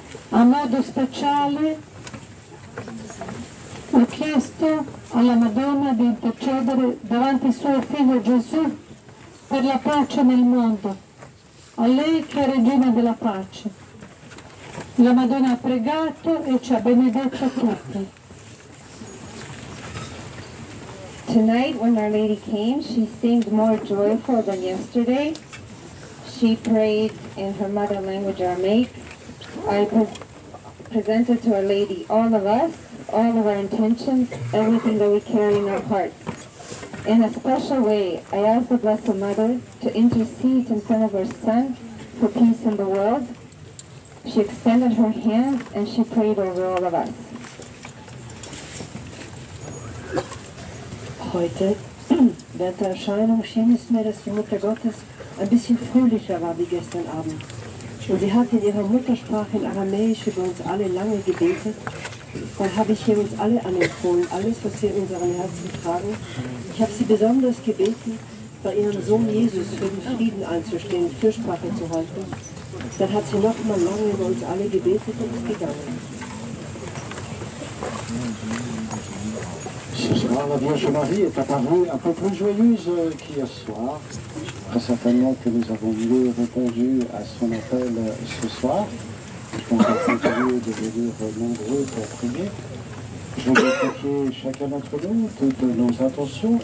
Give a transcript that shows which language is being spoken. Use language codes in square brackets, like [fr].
[it] A modo speciale ho chiesto alla Madonna di intercedere davanti al suo figlio Gesù per la pace nel mondo, a lei che è regina della pace. La Madonna ha pregato e ci ha benedetto tutti. [en] Tonight when Our Lady came, she seemed more joyful than yesterday. She prayed in her mother language Aramaic. I presented to Our Lady all of us, all of our intentions, everything that we carry in our hearts. In a special way, I asked the Blessed Mother to intercede in front of her son for peace in the world. She extended her hand and she prayed over all of us. [de] Heute, während der Erscheinung, schien es mir, dass die Mutter Gottes ein bisschen fröhlicher war wie gestern Abend. Und sie hat in ihrer Muttersprache in Aramäisch über uns alle lange gebetet. Dann habe ich hier uns alle anempfohlen, alles, was wir in unseren Herzen tragen. Ich habe sie besonders gebeten, bei ihrem Sohn Jesus für den Frieden einzustehen, Fürsprache zu halten. Dann hat sie noch mal lange über uns alle gebetet und ist gegangen. [fr] Ce sera la Vierge Marie est apparue un peu plus joyeuse qu'hier soir. Très certainement que nous avons mieux répondu à son appel ce soir. On a continué de venir nombreux pour prier. Je vais confier chacun d'entre nous toutes nos intentions.